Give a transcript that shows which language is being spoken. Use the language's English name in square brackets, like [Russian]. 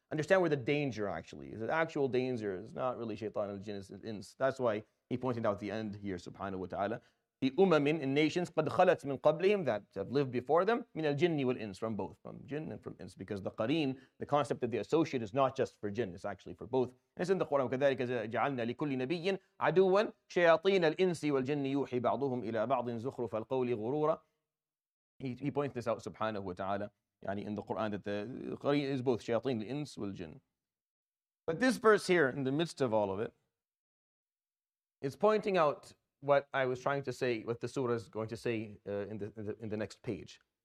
[English] Understand where the danger actually is. The actual danger is not really shaytan al-Jinn, it's ins. That's why he pointed out the end here, subhanahu wa ta'ala. The umamin in nations, [Arabic] qad khalat min qablihim, [English] that have lived before them, [Arabic] min al-jinni wal-ins, [English] from both, from jinn and from ins. Because the qareen, the concept of the associate, is not just for jinn, it's actually for both. It's in the Quran, [Arabic] كَذَلِكَ جَعَلْنَا لِكُلِّ نَبِيٍ عَدُوًا شَيَاطِينَ الْإِنسِ وَالْجِنِّ يُوحِي بَعْضُهُمْ إِلَىٰ بَعْضٍ زُخْرُفَ الْقَوْلِ غُرُورًا. [English] He points this out, subhanahu wa ta'ala, yani in the Quran, that the qareen is both shayateen, al-ins, wal-jinn. But this verse here, in the midst of all of it, is pointing out what I was trying to say, what the surah is going to say in the next page.